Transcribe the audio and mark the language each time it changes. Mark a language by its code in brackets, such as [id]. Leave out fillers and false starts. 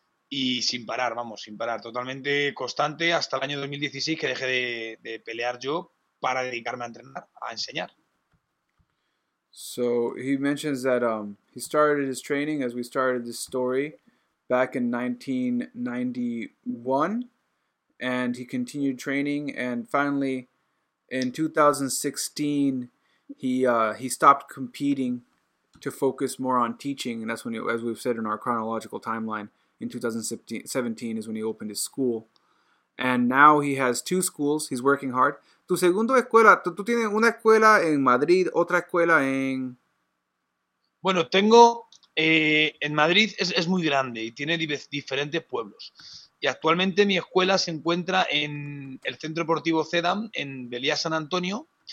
[es] Y sin parar, vamos, sin parar. Totalmente constante hasta el año 2016 que dejé de pelear yo para dedicarme a entrenar, a enseñar. [en] So he mentions that he started his training as we started this story back in 1991. And he continued training. And finally, in 2016, he stopped competing to focus more on teaching. And that's when, as we've said in our chronological timeline, in 2017 is when he opened his school. And now he has two schools. He's working hard. [es] Tu segunda escuela, tú tienes una escuela en Madrid, otra escuela en... Bueno, tengo... en Madrid es muy grande y tiene diferentes pueblos. Y actualmente mi escuela se encuentra en el Centro Deportivo CEDAM, en Belía San Antonio.